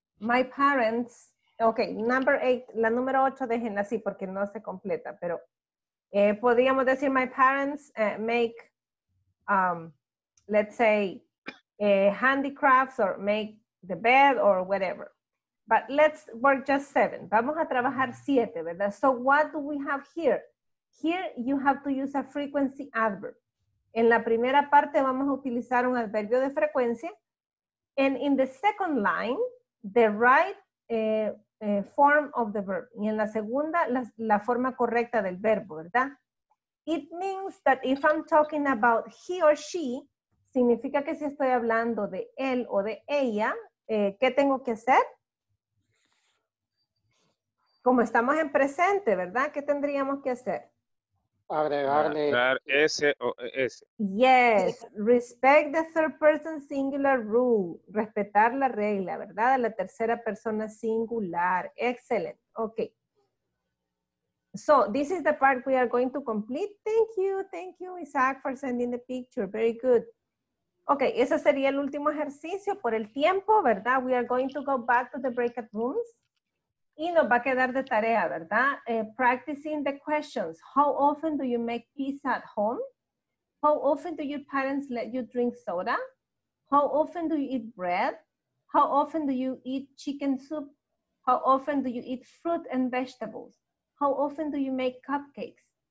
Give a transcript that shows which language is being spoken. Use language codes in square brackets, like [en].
[en] My parents, okay, number eight, [es] la número ocho, déjenla así porque no se completa, pero podríamos decir [en] my parents make, let's say, handicrafts or make the bed or whatever. But let's work just seven. [es] Vamos a trabajar siete, ¿verdad? [en] So what do we have here? Here you have to use a frequency adverb. [es] En la primera parte vamos a utilizar un adverbio de frecuencia. [en] And in the second line, the right form of the verb. [es] Y en la segunda, la forma correcta del verbo, ¿verdad? [en] It means that if I'm talking about he or she, [es] significa que si estoy hablando de él o de ella, ¿qué tengo que hacer? Como estamos en presente, ¿verdad? ¿Qué tendríamos que hacer? Agregarle. Dar S o S. [en] Yes. Respect the third person singular rule. [es] Respetar la regla, ¿verdad? La tercera persona singular. [en] Excellent. Okay. So, this is the part we are going to complete. Thank you, Isaac, for sending the picture. Very good. [es] Okay, ese sería el último ejercicio por el tiempo, ¿verdad? [en] We are going to go back to the breakout rooms. [es] Y nos va a quedar de tarea, ¿verdad? [en] Practicing the questions. How often do you make pizza at home? How often do your parents let you drink soda? How often do you eat bread? How often do you eat chicken soup? How often do you eat fruit and vegetables? How often do you make cupcakes?